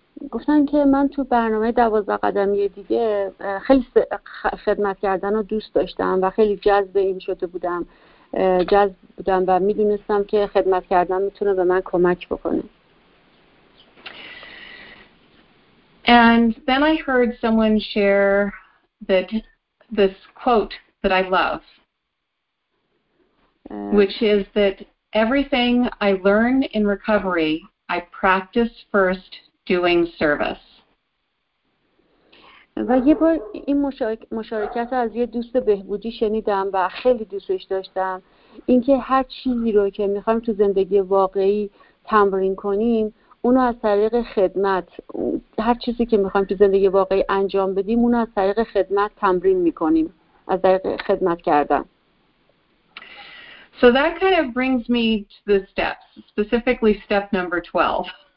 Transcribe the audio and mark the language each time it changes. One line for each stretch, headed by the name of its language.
Persian: گفتن که من تو برنامه 12 قدمی دیگه خیلی خدمت کردن رو دوست داشتم و خیلی جذب این شده بودم. جذب بودم و میدونستم که خدمت کردن میتونه به من کمک بکنه.
English: And then I heard someone share that this quote that I love, which is that everything I learn in recovery, I practice first doing service.
Persian: و یه بار این مشارکت از یه دوست بهبودی شنیدم و خیلی دوستش داشتم. اینکه هر چیزی رو که میخوایم تو زندگی واقعی تمرین کنیم اونو از طریق خدمت، هر چیزی که میخوایم تو زندگی واقعی انجام بدیم اونو از طریق خدمت تمرین میکنیم، از طریق خدمت کردن.
English: So that kind of brings me to the steps, specifically step number 12.